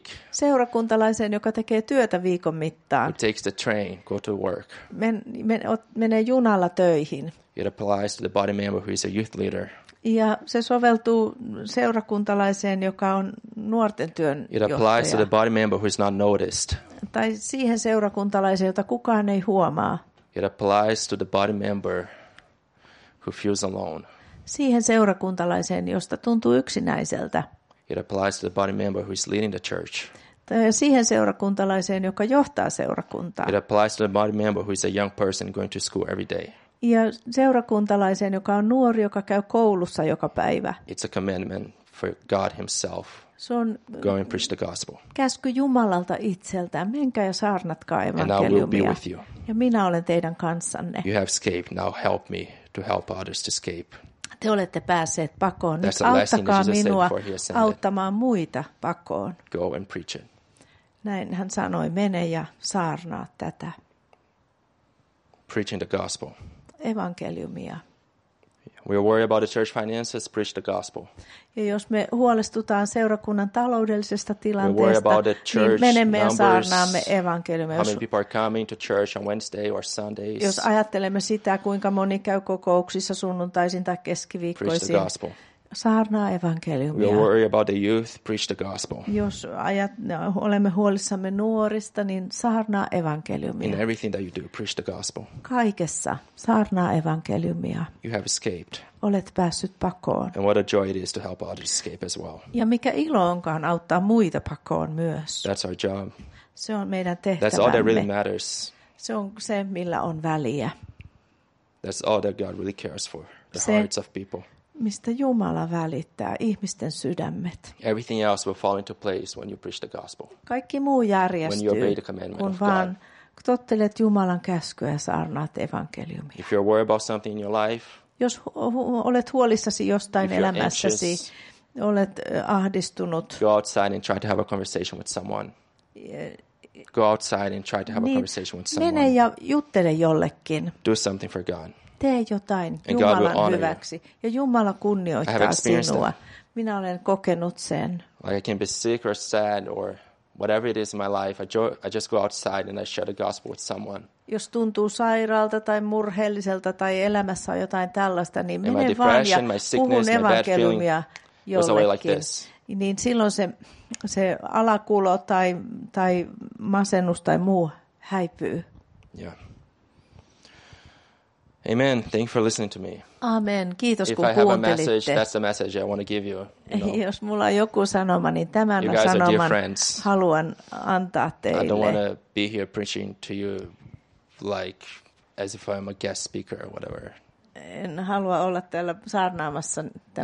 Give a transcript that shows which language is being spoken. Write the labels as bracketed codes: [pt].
[fi] Seurakuntalaisen, joka tekee työtä viikon mittaan. [en] Who takes the train, go to work. [fi] Menee junalla töihin. [en] It applies to the body member who is a youth leader. [fi] Ja se soveltuu seurakuntalaiseen, joka on nuorten työn johtaja. [en] It applies to the body member who is not noticed. [fi] Tai siihen seurakuntalaiseen, jota kukaan ei huomaa. [en] It applies to the body member who feels alone. [fi] Siihen seurakuntalaiseen, josta tuntuu yksinäiseltä. [en] It applies to the body member who is leading the church. [fi] Siihen seurakuntalaiseen, joka johtaa seurakuntaa. [en] It applies to the body member who is a young person going to school every day. [fi] Ja seurakuntalaiseen, joka on nuori, joka käy koulussa joka päivä. [en] It's a commandment for God himself. [fi] Se on [en] go and preach the gospel. [fi] Käsky Jumalalta itseltään, menkää ja saarnatkaa evankeliumia. Ja minä olen teidän kanssanne. [en] You have escaped, now help me to help others to escape. [fi] Te olette päässeet pakoon, nyt auttakaa minua auttamaan muita pakoon. [en] Go and preach it. [fi] Näin hän sanoi, mene ja saarnaa tätä. [en] Preaching the gospel. [fi] Evankeliumia. [en] We worry about the church finances, preach the gospel. [fi] Ja jos me huolestutaan seurakunnan taloudellisesta tilanteesta, [en] we worry about the church [fi] niin menemme [en] numbers, [fi] ja saarnaamme evankeliumia. [en] How many people are coming to church on Wednesday or Sundays? [fi] Jos ajattelemme sitä, kuinka moni käy kokouksissa sunnuntaisin tai keskiviikkoisin. [en] Preach the gospel. [fi] Saarnaa evankeliumia. [en] We worry about the youth, preach the gospel. [fi] Jos olemme huolissamme nuorista, niin saarnaa evankeliumia. [en] In everything that you do, preach the gospel. [fi] Kaikessa saarnaa evankeliumia. [en] You have escaped. [fi] Olet päässyt pakoon. [en] And what a joy it is to help others escape as well. [fi] Ja mikä ilo onkaan auttaa muita pakoon myös. [en] That's our job. [fi] Se on meidän tehtävämme. [en] That's all that really matters. [fi] Se on se, millä on väliä. [en] That's all that God really cares for, the hearts of people. [fi] Mistä Jumala välittää ihmisten sydämet. [en] Everything else will fall into place when you preach the gospel. [fi] Kaikki muu järjestyy, [en] when you obey the commandment [fi] kun [en] of vaan God. [fi] Tottelet Jumalan käskyä ja saarnaat evankeliumia. [en] If you're worried about something in your life, [fi] jos olet huolissasi jostain elämässäsi, [en] anxious, [fi] olet ahdistunut, [en] go outside and try to have a conversation with someone. go outside and try to have [fi] niin, [en] a conversation with someone. [fi] Mene ja juttele jollekin. [en] Do something for God. [fi] Tee jotain Jumalan hyväksi. You. Ja Jumala kunnioittaa sinua. Minä olen kokenut sen. [en] Like I can be sick or sad or whatever it is in my life, I just go outside and I share the gospel with someone. [fi] Jos tuntuu sairaalta tai murheelliselta tai elämässä on jotain tällaista, niin mene vaan ja puhun evankeliumia jollekin. Niin silloin se alakulo tai masennus tai muu häipyy. [en] Yeah. Amen. Thank you for listening to me. [fi] Amen. Kiitos kun kuuntelitte. [en] If I have a message, that's the message I want to give you. [fi] Jos mulla on joku sanoma, niin tämän sanoman haluan antaa teille. [en] I don't want to be here preaching to you like as if I'm a guest speaker or whatever. [fi] En halua olla täällä saarnaamassa tämmöisenä.